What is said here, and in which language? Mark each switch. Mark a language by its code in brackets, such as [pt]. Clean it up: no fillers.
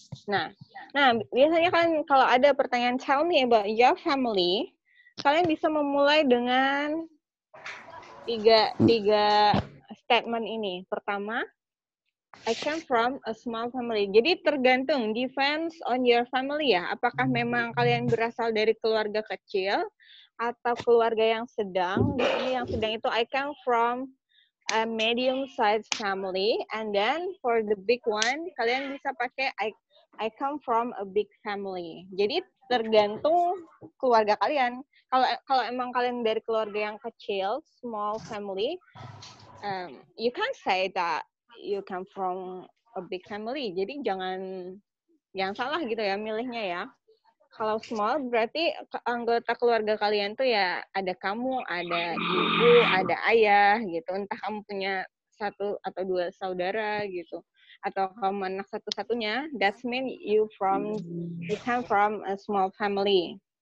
[id] Nah, biasanya kan kalau ada pertanyaan tell me about your family, kalian bisa memulai dengan tiga statement ini. [en] Pertama, I come from a small family. [id] Jadi tergantung, depends on your family ya. Apakah memang kalian berasal dari keluarga kecil atau keluarga yang sedang. [en] Di sini yang sedang itu I come from a medium-sized family. And then for the big one, kalian bisa pakai I come from a big family. [id] Jadi tergantung keluarga kalian. Kalau emang kalian dari keluarga yang kecil, small family, you can't say that you come from a big family. Jadi jangan salah gitu ya milihnya ya. Kalau small berarti anggota keluarga kalian tuh ya ada kamu, ada ibu, ada ayah gitu. Entah kamu punya satu atau dua saudara gitu. [en] Atau kamu anak satu-satunya, that mean you come from a small family.